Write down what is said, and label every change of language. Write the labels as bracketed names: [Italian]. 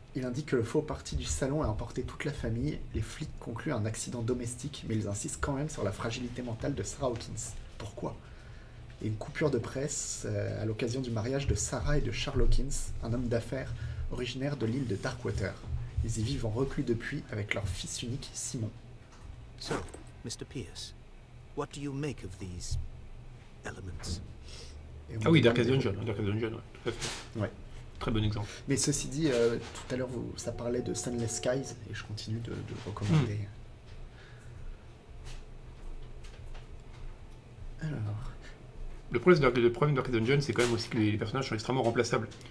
[French] Il indique que le faux parti du salon a emporté toute la famille. Les flics concluent un accident domestique, mais ils insistent quand même sur la fragilité mentale de Sarah Hawkins. Pourquoi ? Et une coupure de presse à l'occasion du mariage de Sarah et de Charles Hawkins, un homme d'affaires originaire de l'île de Darkwater. Ils y vivent en reclus depuis avec leur fils unique, Simon. [English] So, Mr. Pierce, what do you make of these elements? [French] Ah oui, Dark as Dungeon, ouais, tout à fait. Ouais. Très bon exemple. Mais ceci dit, tout à l'heure, ça parlait de Sunless Skies, et je continue de recommander. Alors... Le problème de Dark Dungeon, c'est quand même aussi que les personnages sont extrêmement remplaçables.